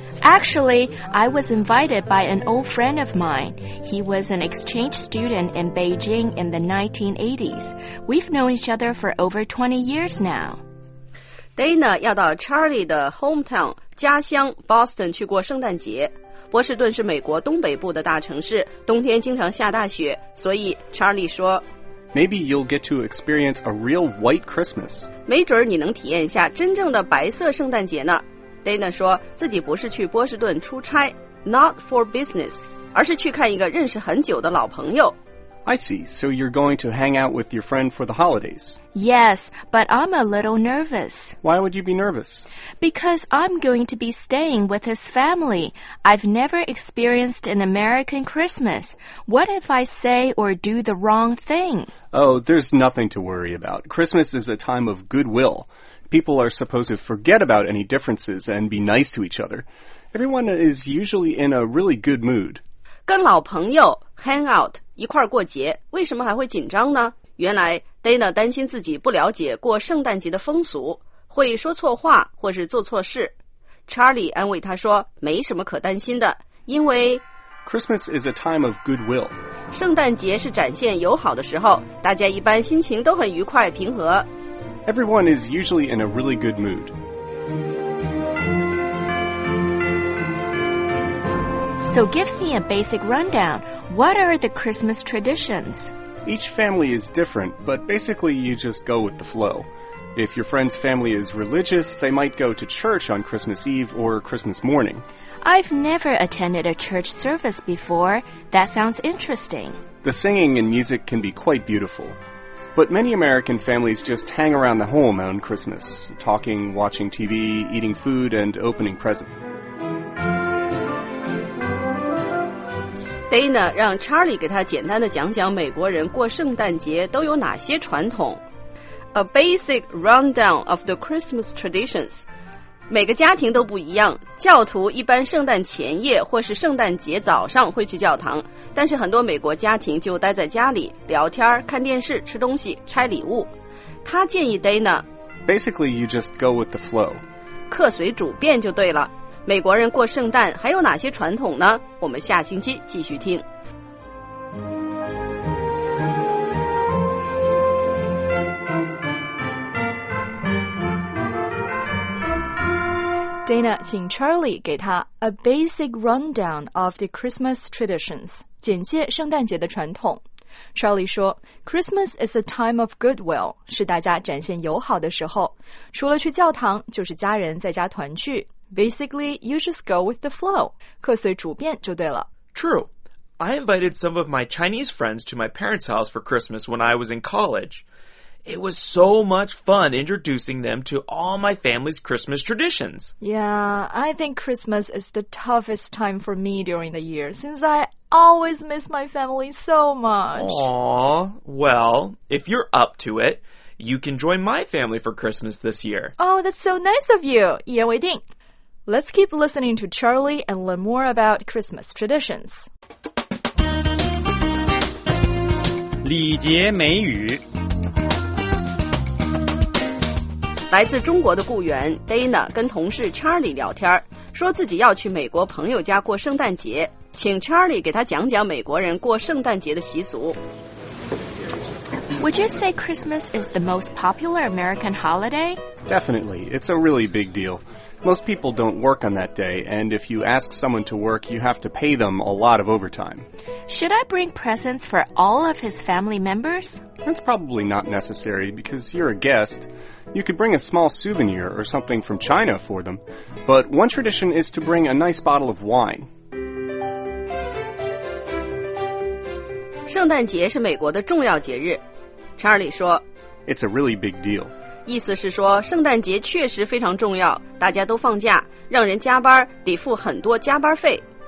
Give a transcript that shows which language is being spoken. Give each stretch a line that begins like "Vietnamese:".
English: Actually, I was invited by an old friend of mine. He was an exchange student in Beijing in the 1980s. We've known each other for over 20 years now.
Chinese: Dana 要到 Charlie 的 hometown 家乡 Boston 去过圣诞节。波士顿是美国东北部的大城市，冬天经常下大雪，所以 Charlie 说
English: Maybe you'll get to experience a real white Christmas.
Chinese: 没准你能体验一下真正的白色圣诞节呢。Dana 说自己不是去波士顿出差
English: not for business,
Chinese: 而是去看一个认识很久的老朋友。
English: I see, so you're going to hang out with your friend for the holidays. Yes, but I'm a little nervous. Why would you be nervous? Because I'm going to be staying with his family. I've never experienced an American Christmas. What if I say or do the wrong thing? Oh, there's nothing to worry about. Christmas is a time of goodwill. People are supposed to forget about any differences and be nice to each other. Everyone is usually in a really good mood.
Chinese: 跟老朋友
English: hang out
Chinese: 一块儿过节，为什么还会紧张呢？原来 Dana 担心自己不了解过圣诞节的风俗，会说错话或是做错事。 Charlie 安慰他说没什么可担心的，因为
English: Christmas is a time of goodwill，
Chinese: 圣诞节是展现友好的时候，大家一般心情都很愉快平和。
English: Everyone is usually in a really good mood。 So give me a basic rundown. What are the Christmas traditions? Each family is different, but basically you just go with the flow. If your friend's family is religious, they might go to church on Christmas Eve or Christmas morning. I've never attended a church service before. That sounds interesting. The singing and music can be quite beautiful. But many American families just hang around the home on Christmas, talking, watching TV, eating food, and opening presents.
Chinese: Dana 让 Charlie 给他简单的讲讲美国人过圣诞节都有哪些传统。
English: A basic rundown of the Christmas traditions，
Chinese: 每个家庭都不一样，教徒一般圣诞前夜或是圣诞节早上会去教堂，但是很多美国家庭就待在家里聊天、看电视、吃东西、拆礼物。他建议 Dana
English: Basically you just go with the flow，
Chinese: 客随主便就对了。美国人过圣诞还有哪些传统呢？我们下星期继续听。 Dana 请 Charlie 给他
English: A basic rundown of the Christmas traditions，
Chinese: 简介圣诞节的传统。 Charlie 说
English: Christmas is a time of goodwill，
Chinese: 是大家展现友好的时候，除了去教堂就是家人在家团聚。
English: Basically, you just go with the flow.
Chinese: 客随主便就对了。
English: True. I invited some of my Chinese friends to my parents' house for Christmas when I was in college. It was so much fun introducing them to all my family's Christmas traditions. Yeah, I think Christmas is the toughest time for me during the year, since I always miss my family so much. Aww. Well, if you're up to it, you can join my family for Christmas this year. Oh, that's so nice of you.
Chinese: 一言为定。
English: Let's keep listening to Charlie and learn more about Christmas traditions.
Chinese: 礼节美语。来自中国的雇员 Dana 跟同事 Charlie 聊天，说自己要去美国朋友家过圣诞节，请 Charlie 给他讲讲美国人过圣诞节的习俗。
English: Would you say Christmas is the most popular American holiday? Definitely. It's a really big deal. Most people don't work on that day, and if you ask someone to work, you have to pay them a lot of overtime. Should I bring presents for all of his family members? That's probably not necessary, because you're a guest. You could bring a small souvenir or something from China for them. But one tradition is to bring a nice bottle of wine.
Chinese: 圣诞节是美国的重要节日。 Charlie 说
English: It's a really big deal.
Chinese: 意思是说圣诞节确实非常重要，大家都放假，让人加班得付很多加班费。